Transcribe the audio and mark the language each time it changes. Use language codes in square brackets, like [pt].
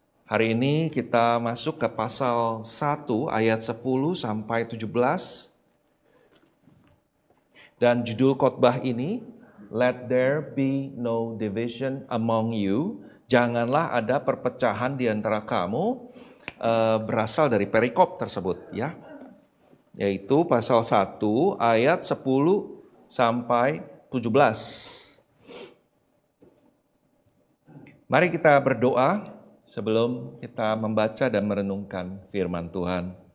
[id] Hari ini kita masuk ke pasal 1 ayat 10 sampai 17. Dan judul khotbah ini, [en] Let there be no division among you. [id] Janganlah ada perpecahan di antara kamu, berasal dari perikop tersebut, ya. Yaitu pasal 1 ayat 10 sampai 17. Mari kita berdoa sebelum kita membaca dan merenungkan firman Tuhan.